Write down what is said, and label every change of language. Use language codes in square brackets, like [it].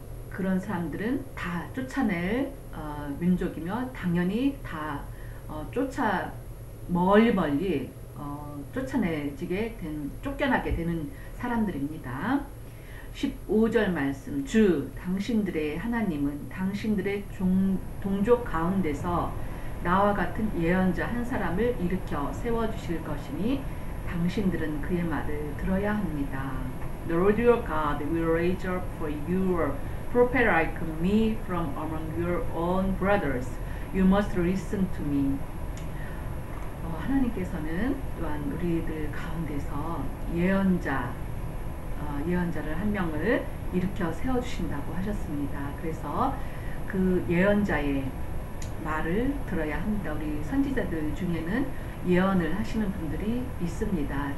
[ko] 그런 사람들은 다 쫓아낼 민족이며 당연히 다 멀리 멀리 쫓아내지게 된, 쫓겨나게 되는 사람들입니다. 15절 말씀, 주, 당신들의 하나님은 당신들의 동족 가운데서 나와 같은 예언자 한 사람을 일으켜 세워주실 것이니 당신들은 그의 말을 들어야 합니다. [en] The Lord your God will raise up for you a prophet like me from among your own brothers. You must listen to me. [ko] 하나님께서는 또한 우리들 가운데서 예언자를 한 명을 일으켜 세워주신다고 하셨습니다. 그래서 그 예언자의 말을 들어야 합니다. 우리 선지자들 중에는 예언을 하시는 분들이 있습니다.